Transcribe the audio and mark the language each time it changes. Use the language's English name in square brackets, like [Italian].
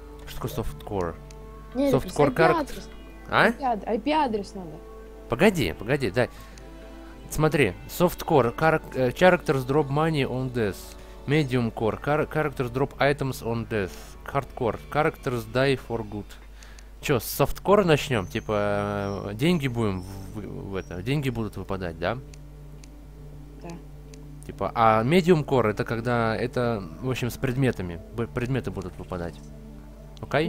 [Russian] Что такое softcore? Нет, softcore IP-адрес. А? IP-адрес надо. Погоди, дай. Смотри, [English] softcore, characters drop money on death. Medium core, characters drop items on death. Hardcore, characters die for good. [Russian] Чё, с softcore начнём? Типа, деньги будем в это, деньги будут выпадать, да? Типа, а medium core это когда это, в общем, с предметами. Предметы будут выпадать. Окей?